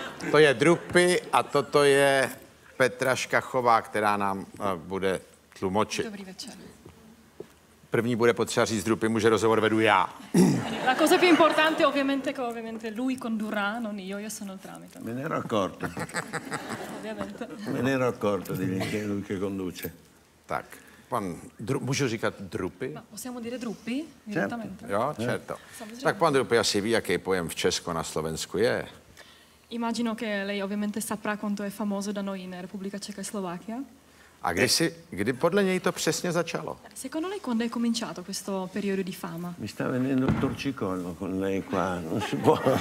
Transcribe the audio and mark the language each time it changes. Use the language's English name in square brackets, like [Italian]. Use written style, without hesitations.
[Czech] To je Drupy a toto je Petra Škachová, která nám bude tlumočit. Dobrý večer. První bude potřeba říct Drupymu, že rozhovor vedu já. [Italian] La cosa più importante ovviamente che ovviamente lui condurrà, non io, io sono il tramite. Me ne ero accorto. Ovviamente. Me ne ero accorto di che lui che conduce. [Czech] Tak. Pan můžu říkat Drupy? [Italian] Ma possiamo dire Drupy? Direttamente. [Czech] Jo, certo. Samozřejmě. Tak pan Drupy asi ví, jaký pojem v Česku na Slovensku je. [Italian] Immagino che lei ovviamente saprà quanto è famoso da noi in Repubblica Ceca e Slovacchia. [Czech] A kdy si, kdy podle něj to přesně začalo? [Italian] Secondo lei quando è cominciato questo periodo di fama? Mi sta venendo il torcicollo con lei qua, non si può.